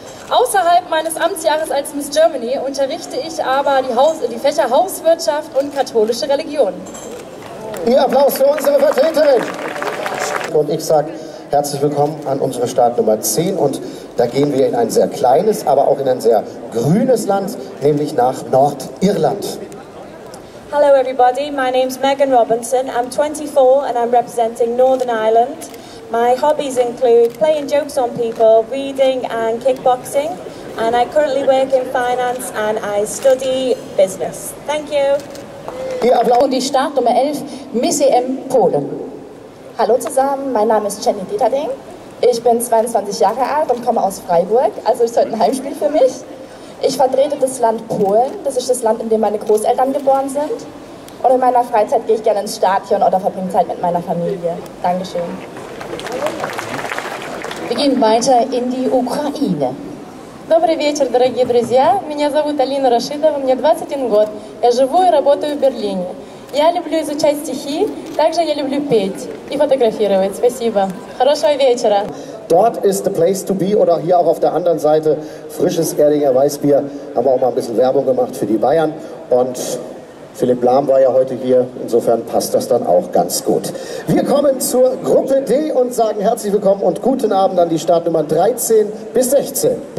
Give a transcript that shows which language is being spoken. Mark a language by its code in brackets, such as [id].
[de] Außerhalb meines Amtsjahres als Miss Germany unterrichte ich aber die Fächer Hauswirtschaft und katholische Religion. Ihr Applaus für unsere Vertreterin. Und ich sage herzlich willkommen an unsere Startnummer 10. Und da gehen wir in ein sehr kleines, aber auch in ein sehr grünes Land, nämlich nach Nordirland. [en] Hello everybody, my name's Megan Robinson. I'm 24 and I'm representing Northern Ireland. My hobbies include playing jokes on people, reading and kickboxing. And I currently work in finance and I study business. Thank you. [de] Und die Startnummer 11, Miss EM Polen. Hallo zusammen, mein Name ist Jenny Dieterding. Ich bin 22 Jahre alt und komme aus Freiburg, also ist heute ein Heimspiel für mich. Ich vertrete das Land Polen, das ist das Land, in dem meine Großeltern geboren sind. Und in meiner Freizeit gehe ich gerne ins Stadion oder verbringe Zeit mit meiner Familie. Dankeschön. Wir gehen weiter in die Ukraine. [ru] Добрый вечер, дорогие друзья. Меня зовут Алина Рашидова, мне 21 год. Я живу и работаю в Берлине. Я люблю изучать стихи, также я люблю петь и фотографировать. Спасибо. Хорошего вечера. [de] Dort ist [en] the place to be, [de] oder hier auch auf der anderen Seite frisches Erdinger Weißbier. Haben auch mal ein bisschen Werbung gemacht für die Bayern. Und Philipp Lahm war ja heute hier, insofern passt das dann auch ganz gut. Wir kommen zur Gruppe D und sagen herzlich willkommen und guten Abend an die Startnummern 13 bis 16.